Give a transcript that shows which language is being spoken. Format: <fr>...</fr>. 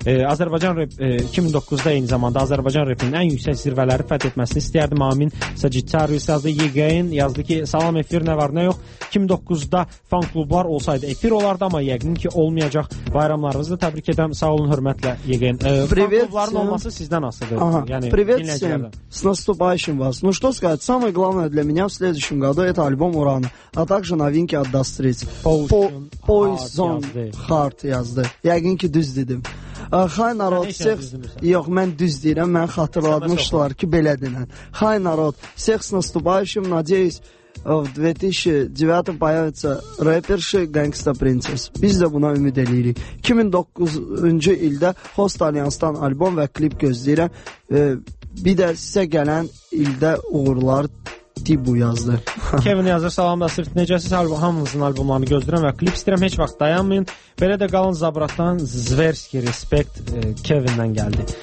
<az>Azərbaycan rap 2009-da eyni zamanda Azərbaycan rapinin ən yüksək zirvələri fəth etməsini istəyərdim. Amin Sagittarius yazdı, Yegain yazdı ki, salam, efir nə var, nə yox. 2009-da fan klublar olsaydı efir olardı, amma yəqin ki olmayacaq. Bayramlarınızı da təbrik edəm. Sağ olun, hörmətlə Yegain. Fan klubların olması sizdən asılıdır. Yəni privet sizə.</az> <ru>С наступающим вас. Ну что сказать, самое главное для меня в следующем году это альбом Уран, а также новинки от Дастрит.</ru> <az>Poison Heart yazdı. Yəqin ki düz dedim. Xay narod, sex... Yox, mən düz deyirəm, mən xatırlatmışdılar ki, belə denən.</az> <ru>Xay narod, sex с наступающим, надеюсь, в 2009-м появится рэперши Gangsta Princess.</ru> <az>Biz də buna ümid edirik. 2009-cu ildə Host Alliance-dan albom və klip gözləyirəm. Bir də sizə gələn ildə uğurlar... Tibu yazdı. Kevin yazır, salam da sırf necəsiz, hamımızın albumlarını gözləyirəm və klip istəyirəm, heç vaxt dayanmayın. Belə də qalın Zabratdan Zverski Respect Kevindən gəldi.</az>